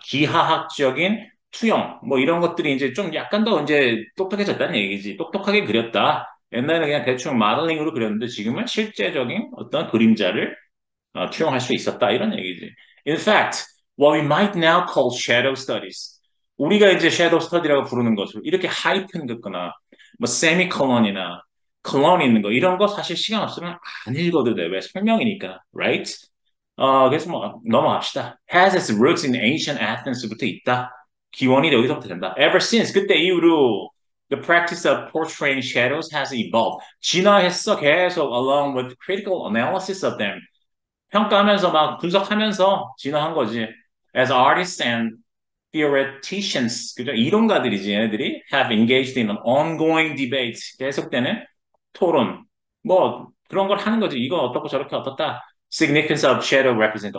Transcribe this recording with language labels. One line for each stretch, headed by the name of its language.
Korean: 기하학적인 투영, 뭐 이런 것들이 이제 좀 약간 더 이제 똑똑해졌다는 얘기지. 똑똑하게 그렸다. 옛날에는 그냥 대충 마들링으로 그렸는데 지금은 실제적인 어떤 그림자를 투영할 수 있었다. 이런 얘기지.
English: In fact, what we might now call shadow studies.
Korean: 우리가 이제 shadow study라고 부르는 것을 이렇게 하이픈 듣거나, 뭐 세미콜론이나 콜론 있는 거, 이런 거 사실 시간 없으면 안 읽어도 돼. 왜? 설명이니까. Right? 그래서 뭐 넘어갑시다.
English: Has its roots in ancient Athens
Korean: 부터 있다. 기원이 여기서부터 된다.
English: Ever since,
Korean: 그때 이후로
English: the practice of portraying shadows has evolved.
Korean: 진화했어, 계속,
English: along with critical analysis of them.
Korean: 평가하면서, 막 분석하면서 진화한 거지.
English: As artists and theoreticians,
Korean: 그죠? 이론가들이지, 얘네들이.
English: Have engaged in an ongoing debate.
Korean: 계속되는 토론. 뭐, 그런 걸 하는 거지. 이거 어떻고 저렇게 어떻다.
English: Significance of shadow represent.